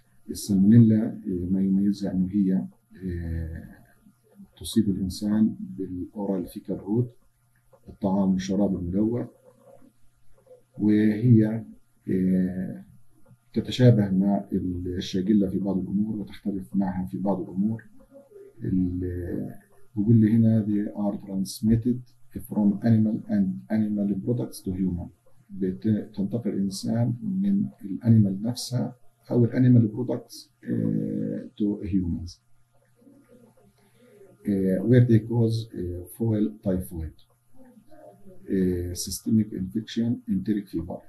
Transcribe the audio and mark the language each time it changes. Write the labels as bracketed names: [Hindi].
[Arabic] السلمونيلا ما يميزها أنه هي تصيب الإنسان بالأورال فيكال روت، الطعام والشراب الملوث، وهي تتشابه مع الشيجيلا في بعض الأمور وتختلف معها في بعض الأمور. بيقول لي هنا [English] they are transmitted from animal and animal products to human. [Arabic] بتنتقل الإنسان من الأنيمال نفسها أو الأنيمال برودكتس [English] to humans. Where they cause foul typhoid. Systemic infection, enteric fever.